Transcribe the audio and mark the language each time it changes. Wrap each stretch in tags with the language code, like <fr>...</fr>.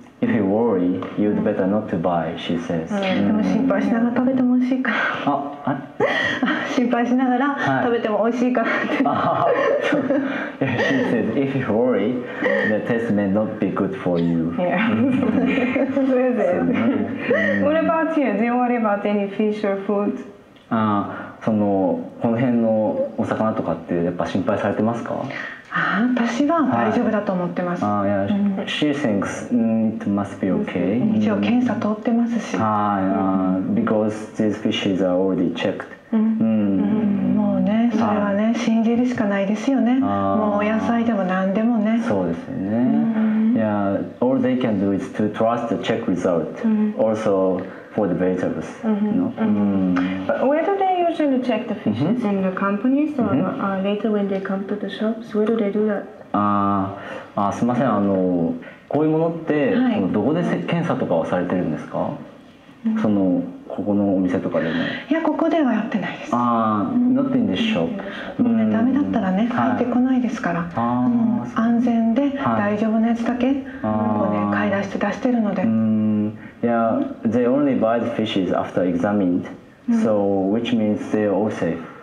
<en>If you worry, you'd better not to buy, she says.</en> <ja>でも心配しながら食べても美味しいから。心配しながら食べても美味しいからって。</ja> <en>She says, if you worry, the taste may not be good for you. What about you? Do you worry about any fish or food?</en> <ja>この辺のお魚とかってやっぱ心配されてますか? 私は大丈夫だと思ってます。</ja> <en>She thinks it must be okay.</en> <ja>一応検査通ってますし。</ja> <en>Because these fishes are already checked.</en> <ja>もうね、それはね、信じるしかないですよね。もうお野菜でも何でもね。そうですよね。</ja> <en>Yeah, all they can do is to trust the check result. Also for the vegetables, you know. But where do they usually check the fishes? In the companies or later when they come to the shops? Where do they do that?</en> <ja>すみません、こういうものってどこで検査とかはされてるんですか? ここのお店とかでも? いや、ここではやってないです。</ja> <en>Not in the shop.</en> <ja>ダメだったらね、入ってこないですから。安全で大丈夫なやつだけ買い出して出してるので。</ja> <en>Yeah, they only buy the fishes after examined, so which means they are all safe.</en>